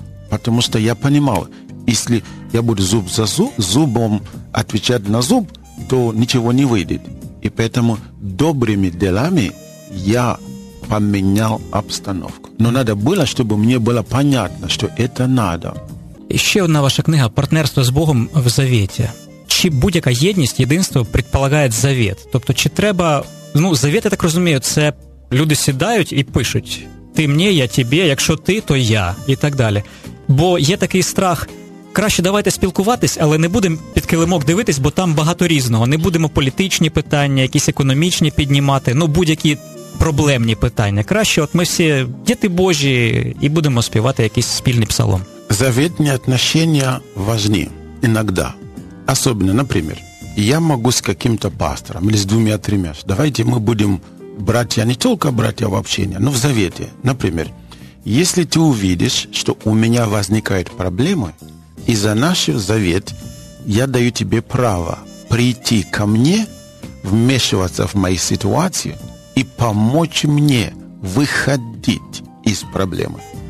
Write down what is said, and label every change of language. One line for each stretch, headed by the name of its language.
Russian: Потому что я понимал, если я буду зуб за зуб, зубом отвечать на зуб, то ничего не выйдет. И поэтому добрыми делами я поменял обстановку. Но надо было, чтобы мне было понятно, что это надо. Еще одна ваша книга «Партнерство с Богом в Завете».
Ukrainian: Чи будь-яка єдність, єдинство
Russian: предполагает завет?
Ukrainian: Тобто, чи треба... Ну, завет, я так розумію, це люди сідають і пишуть. Ти мені, я тобі, якщо ти, то я. І так далі. Бо є такий страх, краще давайте спілкуватись, але не будемо під килимок дивитись, бо там багато різного. Не будемо політичні питання, якісь економічні піднімати, ну, будь-які проблемні питання. Краще, от ми всі діти Божі, і будемо співати якийсь спільний псалом. Завітні отношення важні. Іноді.
Russian: Особенно, например, я могу с каким-то пастором или с двумя-тремя, давайте мы будем братья, не только братья в общении, но в завете. Например, если ты увидишь, что у меня возникают проблемы, и за наш завет я даю тебе право прийти ко мне, вмешиваться в мои ситуации и помочь мне выходить из проблемы.